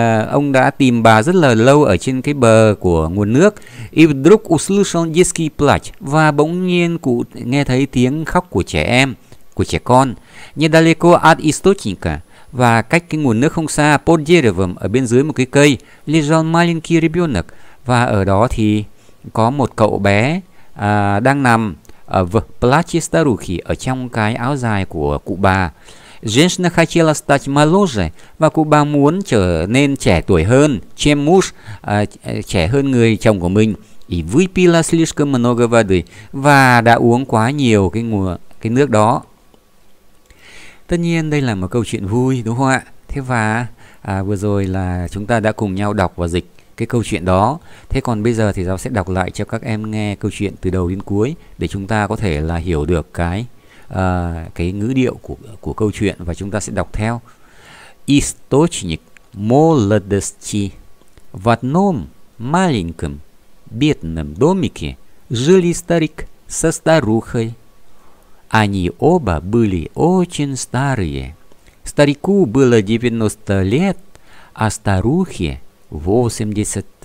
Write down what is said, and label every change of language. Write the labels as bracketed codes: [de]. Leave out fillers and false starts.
[vi] Ông đã tìm bà rất là lâu ở trên cái bờ của nguồn nước. [ru] И вдруг услышал детский плач. [vi] Và bỗng nhiên cụ nghe thấy tiếng khóc của trẻ em, của trẻ con. [ru] Недалеко от источника. [vi] Và cách cái nguồn nước không xa. [ru] Под деревом, [vi] ở bên dưới một cái cây. [ru] Лежал маленький ребёнок. [vi] Và ở đó thì có một cậu bé. À, đang nằm ở [ru] в платье старухи, [vi] ở trong cái áo dài của cụ bà. [ru] Женщина хотела стать моложе, [vi] và cụ bà muốn trở nên trẻ tuổi hơn, [ru] чем муж, [vi] trẻ hơn người chồng của mình. [ru] И выпила слишком много воды, [vi] và đã uống quá nhiều cái nước đó. Tất nhiên đây là một câu chuyện vui, đúng không ạ? Thế và vừa rồi là chúng ta đã cùng nhau đọc và dịch cái câu chuyện đó. Thế còn bây giờ thì Giáo sẽ đọc lại cho các em nghe câu chuyện từ đầu đến cuối để chúng ta có thể là hiểu được cái ngữ điệu của câu chuyện, và chúng ta sẽ đọc theo. [ru] Источник молодости. В одном маленьком бедном домике жили старик со старухой. Они оба были очень старые. Старику было 90 лет, а старухе 80.